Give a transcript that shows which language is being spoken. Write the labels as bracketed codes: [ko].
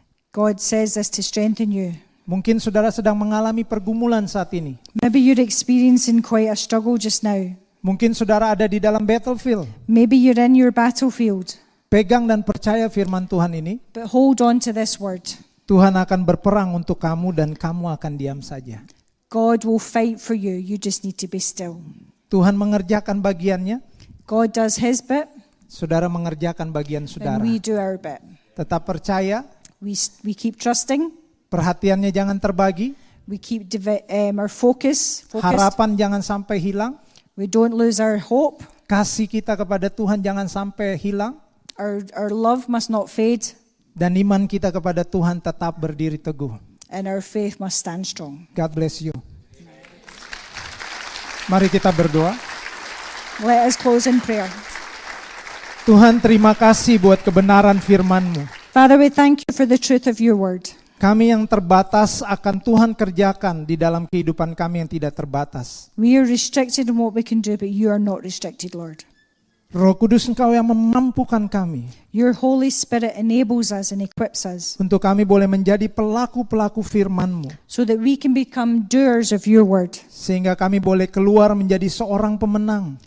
[en] God says this to strengthen you. [id] Mungkin saudara sedang mengalami pergumulan saat ini. [en] Maybe you're experiencing quite a struggle just now. [id] Mungkin saudara ada di dalam battlefield. [en] Maybe you're in your battlefield. [id] Pegang dan percaya firman Tuhan ini. [en] But hold on to this word. [id] Tuhan akan berperang untuk kamu dan kamu akan diam saja. [en] God will fight for you. You just need to be still. [id] Tuhan mengerjakan bagiannya. [en] God does his bit. [id] Saudara mengerjakan bagian saudara. [en] And we do our bit. [id] Tetap percaya. [en] We keep trusting. [id] Perhatiannya jangan terbagi. [en] We keep our focus. Focused. [id] Harapan jangan sampai hilang. [en] We don't lose our hope. [id] Kasih kita kepada Tuhan jangan sampai hilang. [en] Our love must not fade. [id] Dan iman kita kepada Tuhan tetap berdiri teguh. [en] And our faith must stand strong. God bless you. [id] Mari kita berdoa. [en] Let us close in prayer. [id] Tuhan, terima kasih buat kebenaran firman-Mu. [en] Father, we thank you for the truth of your word. [id] Kami yang terbatas akan Tuhan kerjakan di dalam kehidupan kami yang tidak terbatas. [en] We are restricted in what we can do, but you are not restricted, Lord. [id] Roh Kudus, Engkau yang memampukan kami. [en] Your Holy Spirit enables us and equips us. [id] Untuk kami boleh menjadi pelaku-pelaku firman-Mu. [en] So that we can become doers of your word. [id] Sehingga kami boleh keluar menjadi seorang pemenang.